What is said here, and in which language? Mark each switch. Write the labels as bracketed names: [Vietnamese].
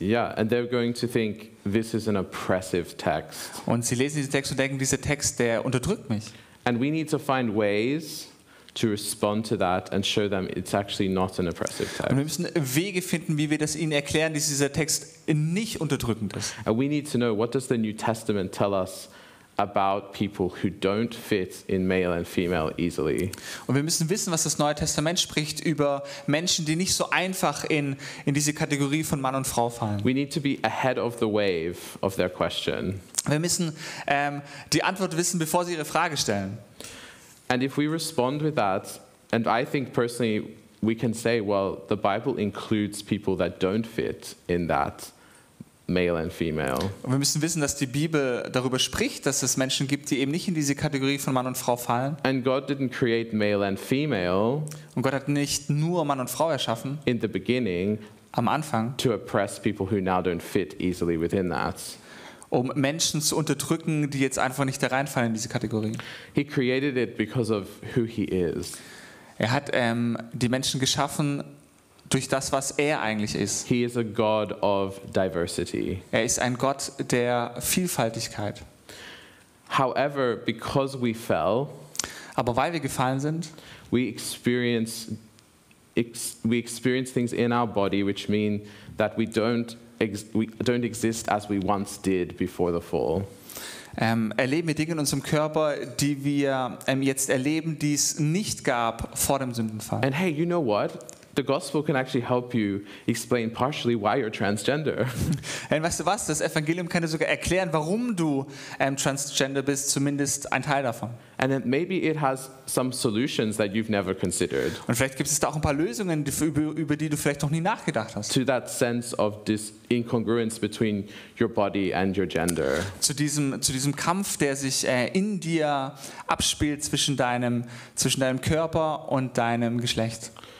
[English] Yeah, and they're going to think this is an oppressive text. [German] Und sie lesen diesen Text und denken, dieser Text, der unterdrückt mich. [English] And we need to find ways to respond to that and show them it's actually not an oppressive text. [German] Und wir müssen Wege finden, wie wir das ihnen erklären, dass dieser Text nicht unterdrückend ist. [English] And we need to know what does the New Testament tell us about people who don't fit in male and female easily. [German] Und wir müssen wissen, was das Neue Testament spricht über Menschen, die nicht so einfach in diese Kategorie von Mann und Frau fallen. [English] We need to be ahead of the wave of their question. [German] Wir müssen die Antwort wissen, bevor sie ihre Frage stellen. [English] And if we respond with that, and I think personally we can say, well, the Bible includes people that don't fit in that, male and female. [German] Und wir müssen wissen, dass die Bibel darüber spricht, dass es Menschen gibt, die eben nicht in diese Kategorie von Mann und Frau fallen. [English] And God didn't create male and female. [German] Und Gott hat nicht nur Mann und Frau erschaffen. [English] In the beginning. [German] Am Anfang. [English] To oppress people who now don't fit easily within that. [German] Um Menschen zu unterdrücken, die jetzt einfach nicht da reinfallen in diese Kategorie. [English] He created it because of who he is. [German] Er hat die Menschen geschaffen durch das, was er eigentlich ist. [English] He is a God of diversity. [German] Er ist ein Gott der Vielfaltigkeit. [English] However, because we fell, [German] aber weil wir gefallen sind, [English] we experience things in our body, which mean that we don't exist as we once did before the fall. [German] Erleben wir Dinge in unserem Körper, die wir jetzt erleben, die es nicht gab vor dem Sündenfall. [English] And hey, you know what? The gospel can actually help you explain partially why you're transgender. [German] Und weißt du was? Das Evangelium kann dir sogar erklären, warum du transgender bist, zumindest ein Teil davon. [English] And then maybe it has some solutions that you've never considered. [German] Und vielleicht gibt es da auch ein paar Lösungen, über die du vielleicht noch nie nachgedacht hast. [English] To that sense of this incongruence between your body and your gender. [German] Zu diesem Kampf, der sich in dir abspielt zwischen deinem Körper und deinem Geschlecht.